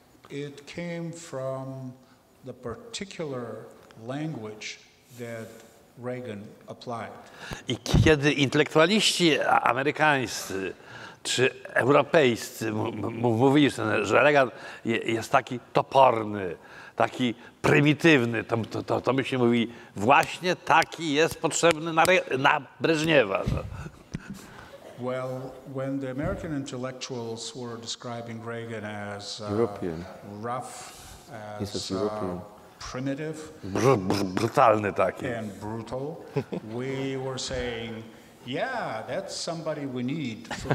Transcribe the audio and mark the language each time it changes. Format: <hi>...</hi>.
<en>It came from the particular language that Reagan applied.</en> <pl>I kiedy intelektualiści amerykańscy czy europejscy mówili, że Reagan jest taki toporny, taki prymitywny, to my się mówi, właśnie taki jest potrzebny na Breżniewa.</pl> <en>Well, when the American intellectuals were describing Reagan as European. Rough, as European. Primitive,</en> <pl>brutalny taki.</pl> <en>And brutal, we were saying, yeah, that's somebody we need.</en>